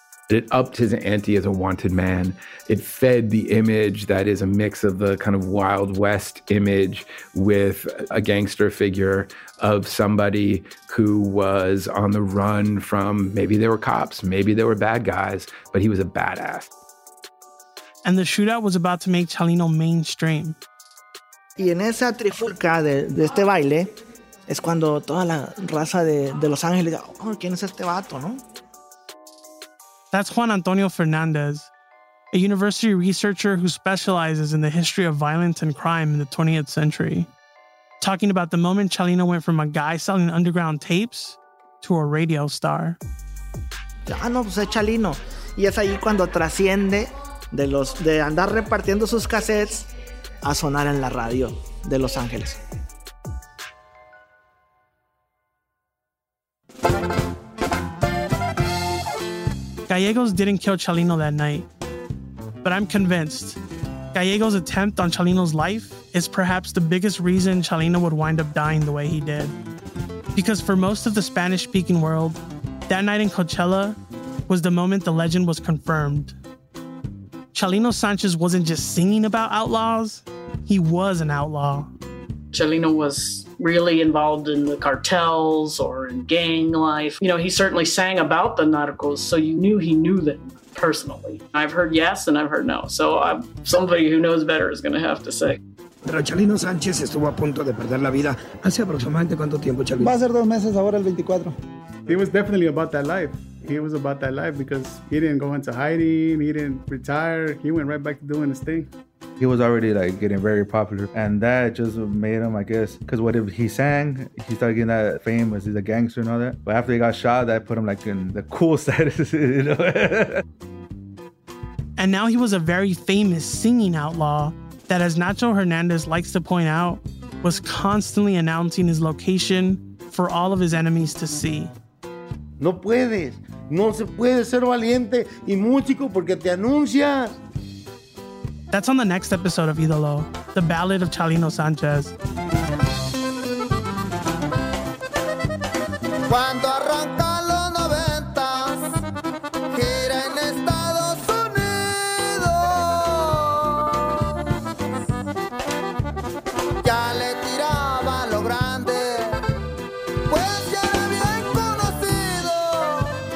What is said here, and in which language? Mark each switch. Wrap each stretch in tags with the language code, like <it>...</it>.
<en>It upped his ante as a wanted man. It fed the image that is a mix of the kind of Wild West image with a gangster figure of somebody who was on the run from, maybe they were cops, maybe they were bad guys, but he was a badass. And the shootout was about to make Chalino mainstream.</en> <es>Y en esa trifulca de este baile, es cuando toda la raza de Los Ángeles, oh, ¿quién es este vato, no?</es> <en>That's Juan Antonio Fernandez, a university researcher who specializes in the history of violence and crime in the 20th century, talking about the moment Chalino went from a guy selling underground tapes to a radio star.</en> <es>Ah, no, pues es Chalino. Y es ahí cuando trasciende de andar repartiendo sus cassettes a sonar en la radio de Los Ángeles.</es> <en>Gallegos didn't kill Chalino that night, but I'm convinced Gallegos' attempt on Chalino's life is perhaps the biggest reason Chalino would wind up dying the way he did. Because for most of the Spanish-speaking world, that night in Coachella was the moment the legend was confirmed. Chalino Sanchez wasn't just singing about outlaws, he was an outlaw. Chalino was really involved in the cartels or in gang life. You know, he certainly sang about the narcos, so you knew he knew them personally. I've heard yes and I've heard no, so somebody who knows better is going to have to say.</en> <es>Pero Chalino Sánchez estuvo a punto de perder la vida. ¿Hace aproximadamente cuánto tiempo, Chalino? Va a ser 2 meses ahora, el 24.</es> <en>He was definitely about that life. He was about that life because he didn't go into hiding, he didn't retire, he went right back to doing his thing. He was already like getting very popular, and that just made him, I guess, because what if he sang, he started getting that fame as he's a gangster and all that. But after he got shot, that put him like in the cool status, you know. And now he was a very famous singing outlaw that, as Nacho Hernandez likes to point out, was constantly announcing his location for all of his enemies to see.</en> <es>No puedes, no se puede ser valiente y músico porque te anuncias.</es> <en>That's on the next episode of Idolo, the Ballad of Chalino Sanchez.</en> <es>Cuando arrancan los noventas, gira en Estados Unidos. Ya le tiraba lo grande, pues ya era bien conocido.</es>